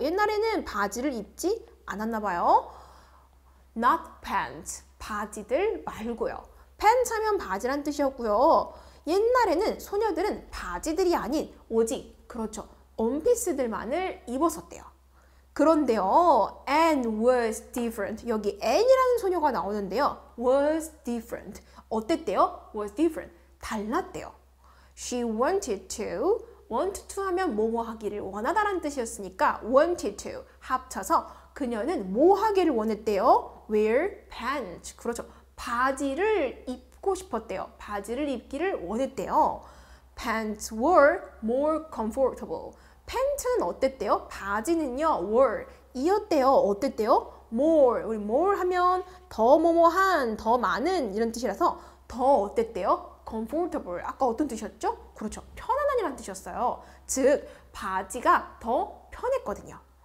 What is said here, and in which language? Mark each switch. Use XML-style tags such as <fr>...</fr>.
<ko>옛날에는 바지를 입지 않았나 봐요.</ko> <en>not pants,</en> <ko>바지들 말고요. pants 하면 바지란 뜻이었고요. 옛날에는 소녀들은 바지들이 아닌 오직, 그렇죠, 원피스들만을 입었었대요. 그런데요,</ko> <en>and was different.</en> <ko>여기 n이라는 소녀가 나오는데요.</ko> <en>was different.</en> <ko>어땠대요?</ko> <en>was different.</en> <ko>달랐대요.</ko> <en>She wanted to.</en> <ko>want to 하면 뭐뭐 하기를 원하다라는 뜻이었으니까 wanted to 합쳐서 그녀는 뭐 하기를 원했대요?</ko> <en>wear pants.</en> <ko>그렇죠. 바지를 입고 싶었대요. 바지를 입기를 원했대요.</ko> <en>pants were more comfortable.</en> <ko>팬츠는 어땠대요? 바지는요, were 이었대요. 어땠대요? more. 우리 more 하면 더 뭐뭐한, 더 많은 이런 뜻이라서 더 어땠대요? comfortable. 아까 어떤 뜻이었죠? 그렇죠. 편안한이란 뜻이었어요. 즉, 바지가 더 편했거든요.</ko>